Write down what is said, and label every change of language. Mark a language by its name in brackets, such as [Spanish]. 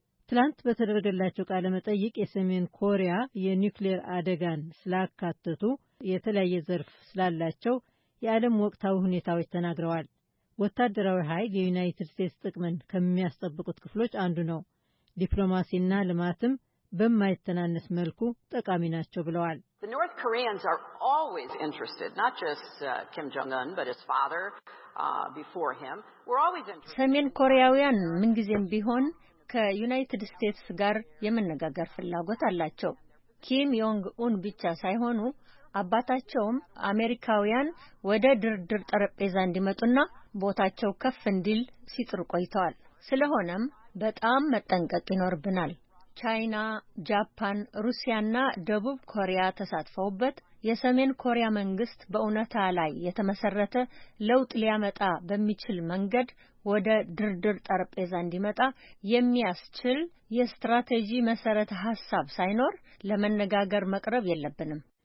[Amharic] ትላንት በተደረገላቸው ቃለ መጠይቅ የሰሜን ኮሪያ የኒውክሌር አደጋን ስላካተቱ የተለያየ ዘርፍ ስላላቸው የዓለም ወቅታዊ ሁኔታዎች ተናግረዋል። ወታደራዊ ኃይል የዩናይትድ ስቴትስ ጥቅምን ከሚያስጠብቁት ክፍሎች አንዱ ነው። ዲፕሎማሲና ልማትም በማይተናነስ መልኩ ጠቃሚ ናቸው ብለዋል። [English] The North Koreans are always interested, not just Kim Jong-un, but his father before him. We're always interested. [Amharic] ሰሜን ኮሪያውያን ምንጊዜም ቢሆን ከዩናይትድ ስቴትስ ጋር የመነጋገር ፍላጎት አላቸው። ኪም ዮንግ ኡን ብቻ ሳይሆኑ አባታቸውም አሜሪካውያን ወደ ድርድር ጠረጴዛ እንዲመጡና ቦታቸው ከፍ እንዲል ሲጥሩ ቆይተዋል። ስለሆነም በጣም መጠንቀቅ ይኖርብናል። ቻይና፣ ጃፓን፣ ሩሲያና ደቡብ ኮሪያ ተሳትፈውበት የሰሜን ኮሪያ መንግስት በእውነታ ላይ የተመሰረተ ለውጥ ሊያመጣ በሚችል መንገድ ወደ ድርድር ጠረጴዛ እንዲመጣ የሚያስችል የስትራቴጂ መሰረተ ሐሳብ ሳይኖር ለመነጋገር መቅረብ የለብንም።